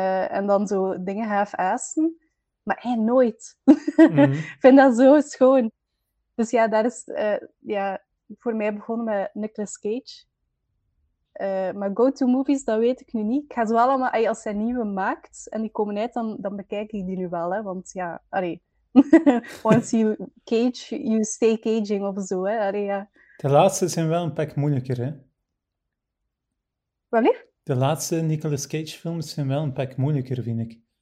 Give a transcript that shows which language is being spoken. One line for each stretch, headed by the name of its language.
Dutch: En dan zo dingen half-assen. Maar hij nooit. Ik vind dat zo schoon. Dus ja, dat is voor mij begonnen met Nicolas Cage. Maar
English: go-to movies,
Dutch: dat weet ik nu niet. Ik ga ze wel allemaal, als hij nieuwe maakt en die komen uit, dan bekijk ik die nu wel. Hè? Want ja, allee.
English: Once you cage, you stay caging
Dutch: of zo. Hè? Allee, ja. De laatste zijn wel een pak moeilijker, hè? Wanneer? De laatste Nicolas Cage films zijn wel een pak moeilijker, vind ik.